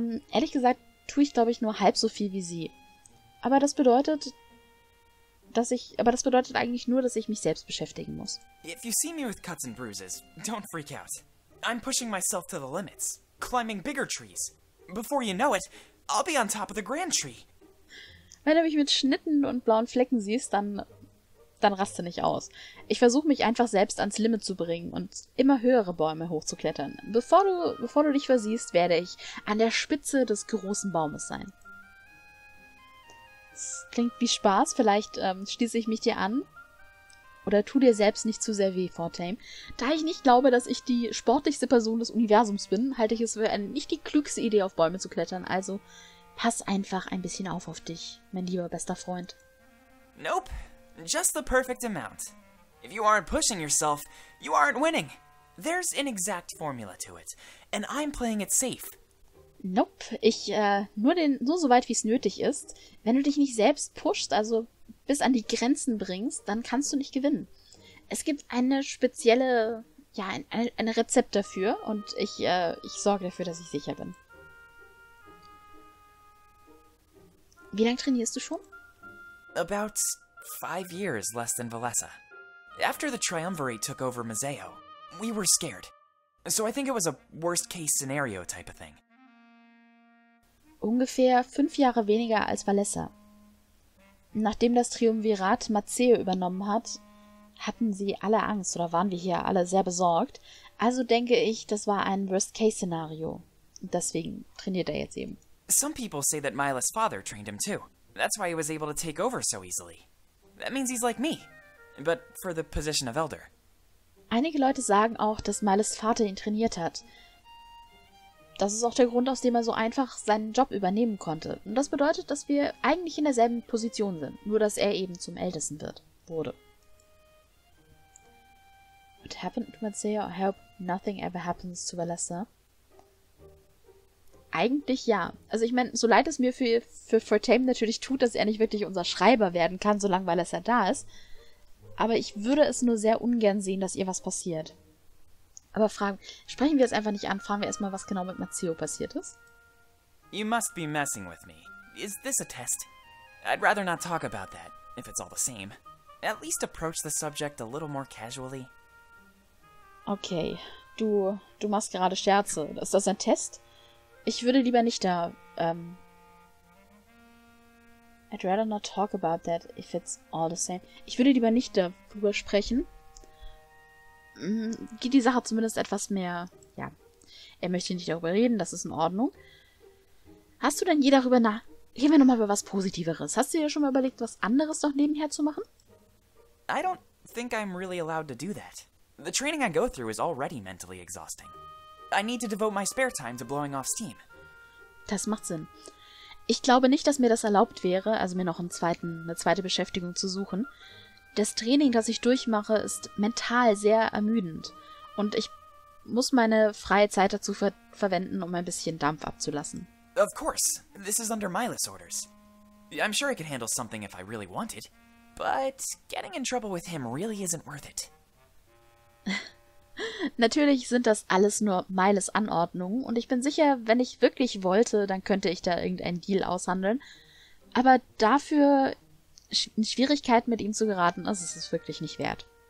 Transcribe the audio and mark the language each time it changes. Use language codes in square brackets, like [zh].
[de] Ehrlich gesagt tue ich, glaube ich, nur halb so viel wie sie. Aber das bedeutet eigentlich nur, dass ich mich selbst beschäftigen muss. [en] If you see me with cuts and bruises, don't freak out. I'm pushing myself to the limits, climbing bigger trees. Before you know it, I'll be on top of the grand tree. [de] Wenn du mich mit Schnitten und blauen Flecken siehst, dann raste nicht aus. Ich versuche mich einfach selbst ans Limit zu bringen und immer höhere Bäume hochzuklettern. Bevor du dich versiehst, werde ich an der Spitze des großen Baumes sein. Klingt wie Spaß, vielleicht schließe ich mich dir an. Oder tu dir selbst nicht zu sehr weh, Fortame. Da ich nicht glaube, dass ich die sportlichste Person des Universums bin, halte ich es für nicht die klügste Idee, auf Bäume zu klettern. Also pass einfach ein bisschen auf dich, mein lieber bester Freund. [en] Nope, just the perfect amount. If you aren't pushing yourself, you aren't winning. There's an exact formula to it, and I'm playing it safe. [de] Nope, ich nur so weit, wie es nötig ist. Wenn du dich nicht selbst pushst, also bis an die Grenzen bringst, dann kannst du nicht gewinnen. Es gibt eine spezielle, ja, ein Rezept dafür und ich sorge dafür, dass ich sicher bin. Wie lange trainierst du schon? [en] About 5 years less than Valessa. After the Triumvirate took over Mazeo, we were scared. So I think it was a worst-case scenario type of thing. [de] Ungefähr 5 Jahre weniger als Valessa. Nachdem das Triumvirat Mazeo übernommen hat, hatten sie alle Angst oder waren wir hier alle sehr besorgt. Also denke ich, das war ein Worst-Case-Szenario. Deswegen trainiert jetzt eben. [en] Some people say that Myla's father trained him too. That's why he was able to take over so easily. That means he's like me. But for the position of Elder. [de] Einige Leute sagen auch, dass Myla's Vater ihn trainiert hat. Das ist auch der Grund, aus dem er so einfach seinen Job übernehmen konnte. Und das bedeutet, dass wir eigentlich in derselben Position sind, nur dass er eben zum Ältesten wurde. [en] What happened to Mazeo? I hope nothing ever happens to Valessa. [de] Eigentlich ja. Also ich meine, so leid es mir für Fortame natürlich tut, dass er nicht wirklich unser Schreiber werden kann, solange Valessa da ist. Aber ich würde es nur sehr ungern sehen, dass ihr was passiert. Aber sprechen wir es einfach nicht an. Fragen wir erstmal, was genau mit Mazeo passiert ist. [en] You must be messing with me. Is this a test? I'd rather not talk about that, if it's all the same. At least approach the subject a little more casually. [de] Okay, du machst gerade Scherze. Ist das ein Test? Ich würde lieber nicht da, [en] I'd rather not talk about that, if it's all the same. [de] Ich würde lieber nicht darüber sprechen. Geht die Sache zumindest etwas mehr... Ja, er möchte nicht darüber reden, das ist in Ordnung. Hast du denn je darüber nach... Reden wir nochmal über was Positiveres. Hast du dir schon mal überlegt, was anderes noch nebenher zu machen? [en] I don't think I'm really allowed to do that. The training I go through is already mentally exhausting. I need to devote my spare time to blowing off steam. [de] Das macht Sinn. Ich glaube nicht, dass mir das erlaubt wäre, also mir noch eine zweite Beschäftigung zu suchen. Das Training, das ich durchmache, ist mental sehr ermüdend. Und ich muss meine freie Zeit dazu verwenden, um ein bisschen Dampf abzulassen. [en] Of course. This is under Mylas' orders. I'm sure I could handle something if I really wanted. But getting in trouble with him really isn't worth it. [de] Natürlich sind das alles nur Mylas' Anordnungen und ich bin sicher, wenn ich wirklich wollte, dann könnte ich da irgendeinen Deal aushandeln. Aber dafür in Schwierigkeiten mit ihm zu geraten, das ist es wirklich nicht wert.